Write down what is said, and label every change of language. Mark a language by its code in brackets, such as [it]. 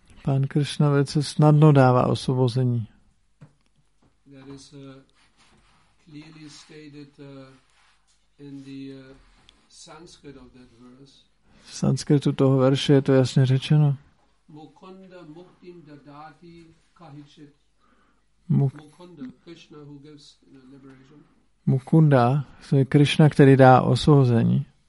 [cs] Pán Krishna velice snadno dává osvobození. [en] That is clearly stated in the Sanskrit of that verse. [cs] V sanskritu toho verše je to jasně řečeno. [sa] Mukunda muktim dadati kahichit. Mukunda, [en] Krishna who gives liberation. [cs] Mukunda, to je Krishna, který dá osvobození.